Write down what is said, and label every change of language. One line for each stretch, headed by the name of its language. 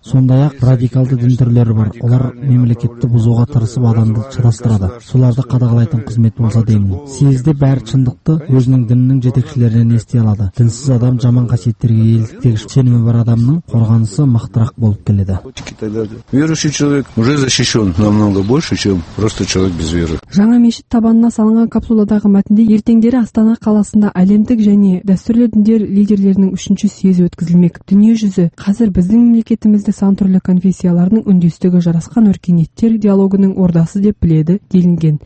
Kazakh: Сондай-ақ радикалды дін түрлері бар. Олар мемлекетті бұзуға тырысып адамды шатастырады. Соларды қадағалайтын қызмет болса деймін. Съезде бәрі шындықты өзінің дінінің жетекшілерінен ести алады. Дінсіз адам жаман қасиеттерге еліктегі сенімі бар адамның қорғанысы мықтырақ болып келеді.
Russian: Верующий человек уже защищен намного больше, чем просто человек без веры.
Kazakh: Жаңа мешіт табанына салынған капсуладағы мәтінде ертеңдері Астана қаласында әлемдік және дәстүрлі діндер лидерлерінің үшінші съезі өткізілмек. Дүние жүзі қазір біздің мемлекетімізде сан түрлі конфессиялардың үндестігі жарасқан өркениеттер диалогының ордасы деп біледі делінген.